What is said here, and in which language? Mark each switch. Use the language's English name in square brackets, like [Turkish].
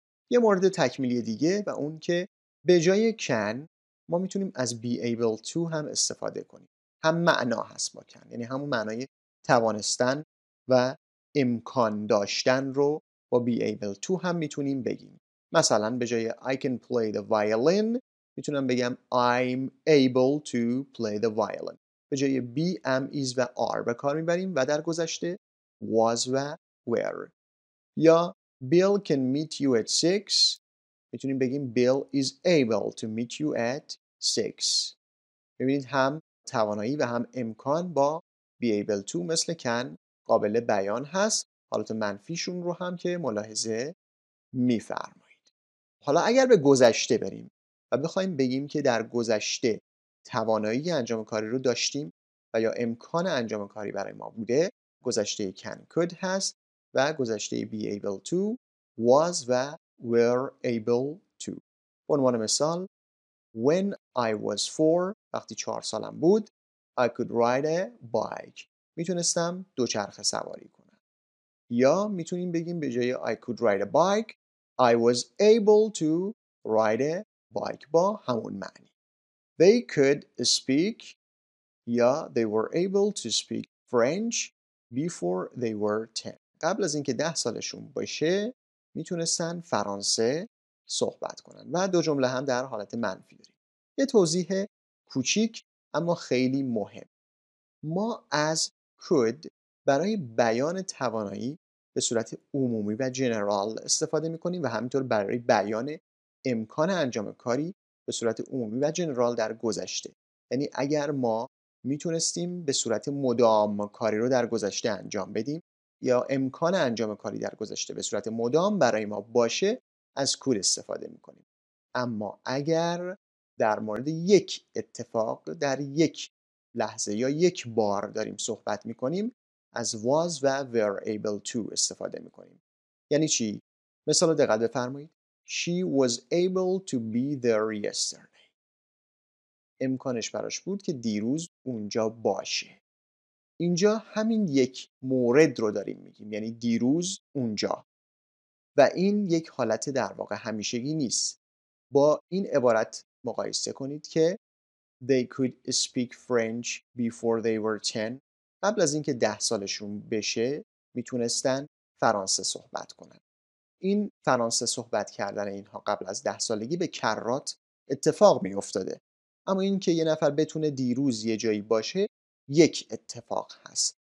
[Persian] یه مورد تکمیلی دیگه و اون که به جای can ما میتونیم از be able to هم استفاده کنیم. هم معنا هست با can، یعنی همون معنای توانستن و امکان داشتن رو با be able to هم میتونیم بگیم. مثلا به جای [English] I can play the violin [Persian] میتونم بگم [English] I'm able to play the violin. [Persian] به جای be, am, is و are به کار میبریم و در گذشته was و were. [English] یا Bill can meet you at 6 [Persian] میتونیم بگیم [English] Bill is able to meet you at 6. [Persian] میبینید هم توانایی و هم امکان با be able to مثل can قابل بیان هست. حالت منفیشون رو هم که ملاحظه میفرمایید. حالا اگر به گذشته بریم و بخوایم بگیم که در گذشته توانایی انجام کاری رو داشتیم و یا امکان انجام کاری برای ما بوده، گذشته can could هست و گذشته be able to was و were able to. به عنوان مثال [English] when I was 4 [Persian] وقتی 4 سالم بود [English] I could ride a bike [Persian] میتونستم دوچرخه سواری کنم. یا میتونیم بگیم به جای [English] I could ride a bike I was able to ride a bike [Persian] با همون معنی. [English] They could speak یا they were able to speak French before they were 10. [Persian] قبل از اینکه 10 سالشون باشه میتونستن فرانسه صحبت کنن. و دو جمله هم در حالت منفی داریم. یه توضیح کوچیک اما خیلی مهم. ما از could برای بیان توانایی به صورت عمومی و جنرال استفاده میکنیم و همینطور برای بیان امکان انجام کاری به صورت عمومی و جنرال در گذشته. یعنی اگر ما میتونستیم به صورت مدام کاری رو در گذشته انجام بدیم یا امکان انجام کاری در گذشته به صورت مدام برای ما باشه از could استفاده میکنیم. اما اگر در مورد یک اتفاق در یک لحظه یا یک بار داریم صحبت میکنیم از was و were able to استفاده میکنیم. یعنی چی؟ مثال دقت بفرمایید. [English] She was able to be there yesterday. [Persian] امکانش براش بود که دیروز اونجا باشه. اینجا همین یک مورد رو داریم میگیم، یعنی دیروز اونجا، و این یک حالت در واقع همیشگی نیست. با این عبارت مقایسه کنید که [English] They could speak French before they were 10. [Persian] قبل از اینکه 10 سالشون بشه میتونستن فرانسه صحبت کنن. این فرانسه صحبت کردن اینها قبل از 10 سالگی به کرات اتفاق میافتاده، اما اینکه یه نفر بتونه دیروز یه جایی باشه یک اتفاق هست.